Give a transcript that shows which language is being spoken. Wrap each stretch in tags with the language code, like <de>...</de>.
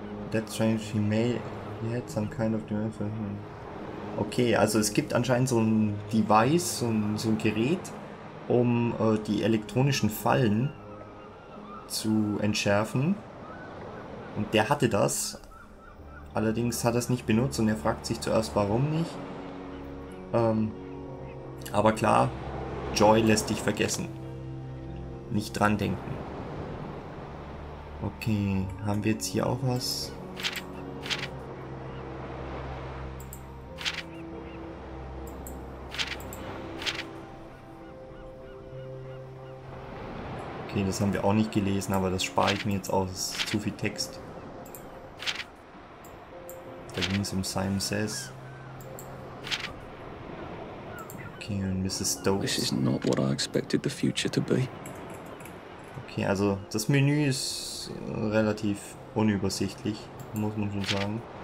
<en>That strange female, he had some kind of device.</en> <de>Okay, also es gibt anscheinend so ein Device, so ein Gerät, um die elektronischen Fallen zu entschärfen. Und der hatte das. Allerdings hat er es nicht benutzt und er fragt sich zuerst, warum nicht. Aber klar, Joy lässt dich vergessen. Nicht dran denken. Okay, haben wir jetzt hier auch was? Okay, das haben wir auch nicht gelesen, aber das spare ich mir jetzt aus. Zu viel Text. Da ging es um Simon Says. Okay, und Mrs. Stokes.</de> <en>This is not what I expected the future to be.</en> <de>Okay, also das Menü ist relativ unübersichtlich, muss man schon sagen.</de>